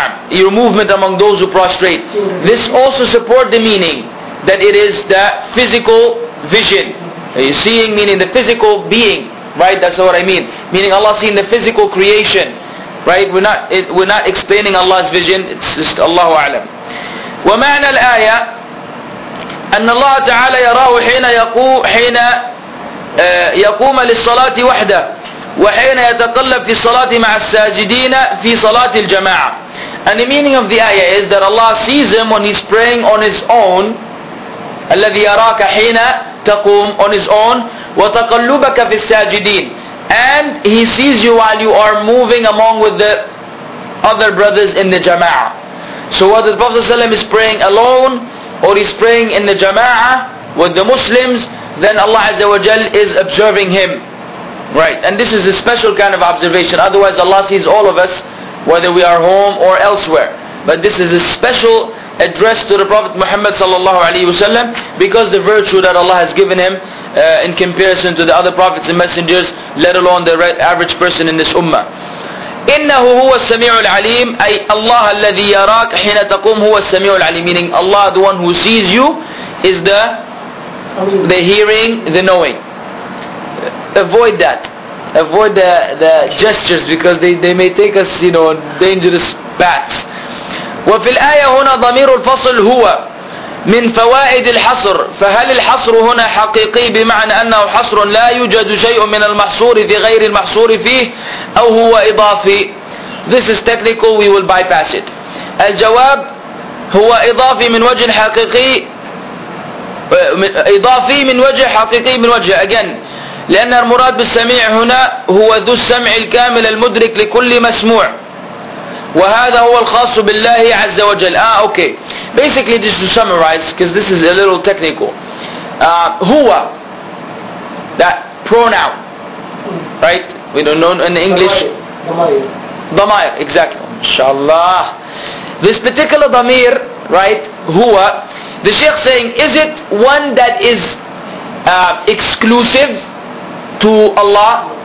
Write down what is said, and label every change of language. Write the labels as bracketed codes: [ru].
[en] Your movement among those who prostrate. This also supports the meaning that it is the physical vision. Seeing meaning the physical being, right? That's what I mean. Meaning Allah seeing the physical creation, right? We're not explaining Allah's vision. It's just Allahu A'lam. [ar] ومعنى الآية أن الله تعالى يراه حين يقوم حين يقوم للصلاة وحده وحين يتقلب في الصلاة مع الساجدين في صلاة الجماعة. [en] And the meaning of the ayah is that Allah sees him when he's praying on his own. [ar] الَّذِي يَرَاكَ حِينَ تَقُومُ. [en] On his own. [ar] وَتَقَلُّبَكَ فِي السَّاجِدِينَ. [en] And he sees you while you are moving among with the other brothers in the jama'ah. So whether the Prophet ﷺ is praying alone or he's praying in the jama'ah with the Muslims, then Allah Azza wa Jal is observing him. Right? And this is a special kind of observation. Otherwise Allah sees all of us, whether we are home or elsewhere. But this is a special addressed to the Prophet Muhammad sallallahu alaihi wasallam, because the virtue that Allah has given him in comparison to the other prophets and messengers, let alone the average person in this ummah. [ar] إِنَّهُ هُوَ السَّمِيعُ الْعَلِيمُ. أي الله الذي يراك حين تقوم هو السميع العليم. [en] Meaning Allah, the one who sees you, is the hearing, the knowing. Avoid that. Avoid the gestures, because they may take us, you know, dangerous paths. [ar] وفي الآية هنا ضمير الفصل هو من فوائد الحصر. فهل الحصر هنا حقيقي بمعنى أنه حصر لا يوجد شيء من المحصور في غير المحصور فيه أو هو إضافي؟ [en] This is technical, we will bypass it. [ar] الجواب هو إضافي من وجه حقيقي, إضافي من وجه حقيقي من وجه. Again, لأن المراد بالسميع هنا هو ذو السمع الكامل المدرك لكل مسموع. وهذا هو الخاص بالله عز وجل. [en] Okay. Basically, just to summarize, because this is a little technical. هو, that pronoun, right? We don't know in English. Damir, exactly. Inshallah. This particular Damir, right, huwa, the Shaykh saying, is it one that is exclusive to Allah?